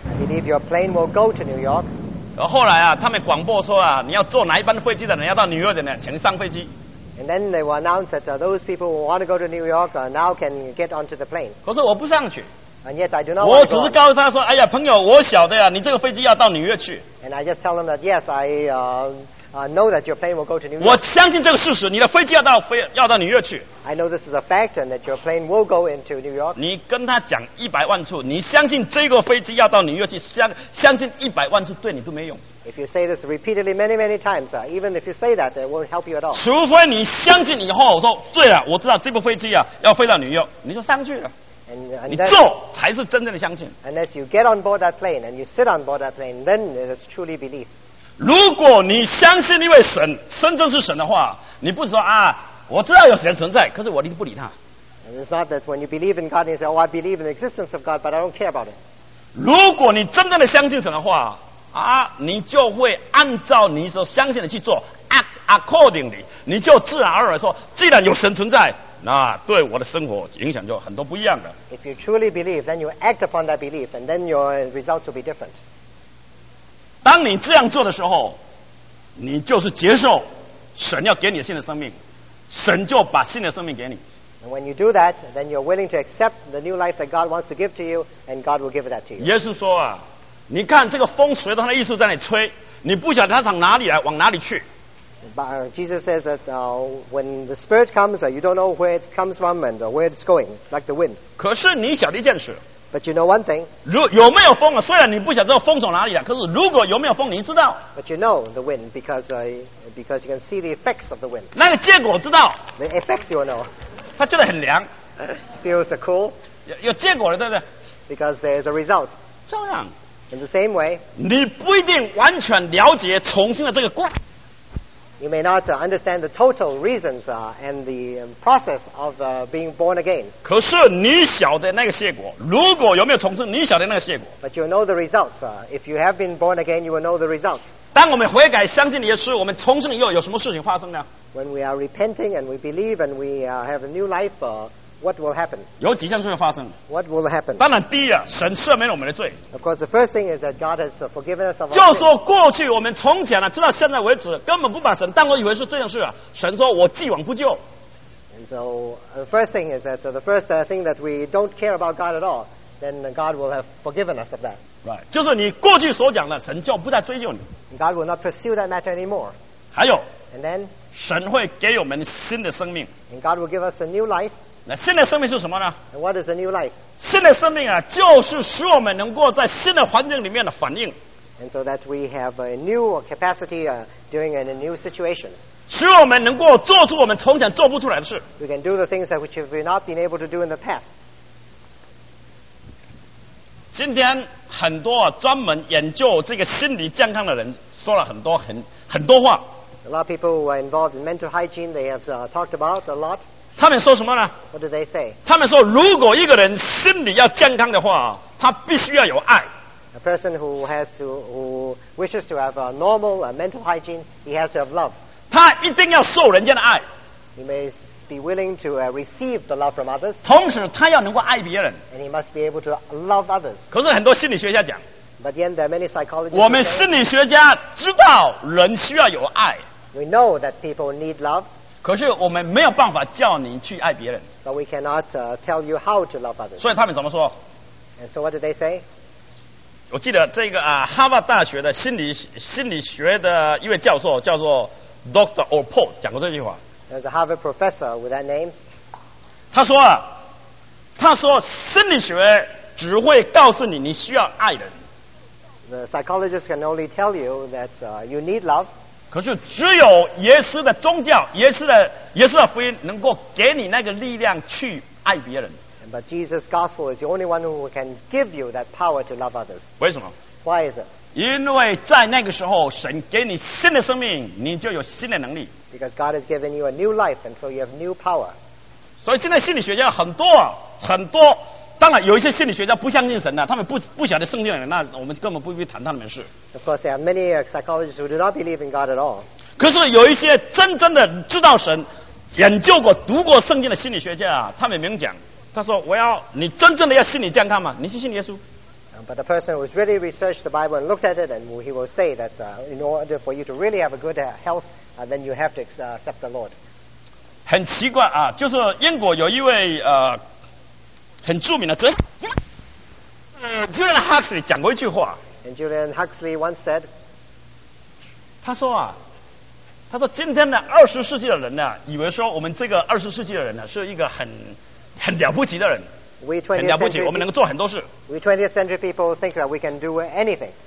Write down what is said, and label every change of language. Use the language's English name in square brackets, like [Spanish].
[English] I believe your plane will go to New York. [Chinese] 后来啊，他们广播说啊，你要坐哪一班飞机的人要到纽约的人，请上飞机。 [English] And then they will announce that those people who want to go to New York now can get onto the plane. [Chinese] 可是我不上去。 [English] And yet I do not [Chinese] 我只是告诉他说，哎呀，朋友，我晓得呀、啊，你这个飞机要到纽约去。 [English] And I just tell them that yes, I know that your plane will go to New York. [Chinese] 我相信这个事实，你的飞机要到纽约去。 [English] I know this is a fact, and that your plane will go into New York. [Chinese] 你跟他讲100万次，你相信这个飞机要到纽约去，相信100万次对你都没用。 [English] If you say this repeatedly many times, even if you say that, it won't help you at all. [Chinese] 除非你相信以后，我说对了，我知道这部飞机啊要飞到纽约，你就上去了。 [English] And then, [Chinese] 你做才是真正的相信。 [English] Unless you get on board that plane and you sit on board that plane, then it is truly belief. [Chinese] 如果你相信一位神，真正是神的话，你不是说啊，我知道有神存在，可是我不理他。 [English] And it's not that when you believe in God, you say, "Oh, I believe in the existence of God, but I don't care about it." [Chinese] 如果你真正的相信神的话，啊，你就会按照你所相信的去做 ， [English] act accordingly， [Chinese] 你就自然而然说，既然有神存在。那对我的生活影响就很多不一样的。 [English] If you truly believe, then you act upon that belief, and then your results will be different. [Chinese] 当你这样做的时候，你就是接受神要给你新的生命，神就把新的生命给你。 [English] And when you do that, then you're willing to accept the new life that God wants to give to you, and God will give that to you. [Chinese] 耶稣说啊，你看这个风随着他的意思在那里吹，你不晓得他从哪里来，往哪里去。 [English] Jesus says that when the Spirit comes, you don't know where it comes from and where it's going, like the wind. [Chinese] 可是你晓得一件事。 [English] But you know one thing. [Chinese] 有没有风啊？虽然你不晓得风从哪里来，可是如果有没有风，你知道。 [English] But you know the wind because you can see the effects of the wind. [Chinese] 那个结果知道。 [English] The effects you know. [Chinese] 它觉得很凉。 [English] Feels cool. [Chinese] 有结果了，对不对 [English] ？Because there's a result. [Chinese] 照样。 [English] In the same way. [Chinese] 你不一定完全了解重新的这个过。 [English] You may not understand the total reasons and the process of being born again. [Chinese] 可是你晓得那个结果，如果有没有重生，你晓得那个结果。 [English] But you know the results. If you have been born again, you will know the results. [Chinese] 当我们悔改、相信耶稣，我们重生以后，有什么事情发生呢 [English] ？When we are repenting and we believe and we have a new life, what will happen? [Chinese] 有几项事情发生 [English] ？What will happen? [Chinese] 当然，第一啊，神赦免我们的罪。 [English] Of course, the first thing is that God has forgiven us of our sins. [Chinese] 就说过去我们从前呢、啊，直到现在为止，根本不把神当过一回事这件事啊，神说我既往不咎。 [English] And so the first thing is that the first thing that we don't care about God at all, then God will have forgiven us of that. Right. [Chinese] 就是你过去所讲的，神就不再追究你。 [English] And、God will not pursue that matter anymore. [Chinese] 还有。 [English] And then. [Chinese] 神会给我们新的生命。 [English] And God will give us a new life. [Chinese] 那新的生命是什么呢 [English] ？What is a new life？ [Chinese] 新的生命啊，就是使我们能够在新的环境里面的反应。 [English] And so that we have a new capacity during a new situation。 [Chinese] 使我们能够做出我们从前做不出来的事。 [English] We can do the things that which we have not been able to do in the past。 [Chinese] 今天很多、啊、专门研究这个心理健康的人说了很多很多话。 [English] A lot of people who are involved in mental hygiene they have talked about a lot。 [Chinese] 他们说什么呢 [English] ？What do they say？ [Chinese] 他们说，如果一个人心里要健康的话，他必须要有爱。 [English] A person who wishes to have a normal mental hygiene, he has to have love. [Chinese] 他一定要受人家的爱。 [English] He must be willing to receive the love from others. [Chinese] 同时，他要能够爱别人。 [English] And he must be able to love others. [Chinese] 可是很多心理学家讲 [English] ，But yet there are many psychologists. [Chinese] 我们心理学家知道人需要有爱。 [English] We know that people need love. [Chinese] 可是我们没有办法叫你去爱别人。 [English] But we cannot tell you how to love others. [Chinese] 所以他们怎么说 [English] ？And so what did they say？ [Chinese] 我记得这个啊，哈佛大学的心理学的一位教授叫做 Dr. Oppold 讲过这句话。 [English] There's a Harvard professor with that name. [Chinese] 他说心理学只会告诉你你需要爱人。 [English] The psychologist can only tell you that you need love. [Chinese] 可是只有耶稣的宗教，耶稣的福音能够给你那个力量去爱别人。 [English] But Jesus' gospel is the only one who can give you that power to love others. [Chinese] 为什么？ [English] Why is it? [Chinese] 因为在那个时候，神给你新的生命，你就有新的能力。 [English] Because God has given you a new life, and so you have new power. [Chinese] 所以现在心理学家很多很多，当然有一些心理学家不相信神的，他们不晓得圣经的人，那我们根本不必谈他们的事。 [English] Of course, there are many psychologists who do not believe in God at all. [Chinese] 可是有一些真正的知道神、研究过、读过圣经的心理学家，他们明讲。他说：“我要你真正的要心理健康吗？你去信耶稣。” [English] But the person who has really researched the Bible and looked at it, and he will say that in order for you to really have a good health, then you have to accept the Lord. [Chinese] 很奇怪啊，就是英国有一位很著名的哲Julian Huxley 讲过一句话。 [English] And Julian Huxley once said, [Chinese] 他说今天的二十世纪的人呢，以为说我们这个二十世纪的人呢是一个很了不起的人，很了不起，我们能够做很多事。 [English] We 20th century people think that we can do anything.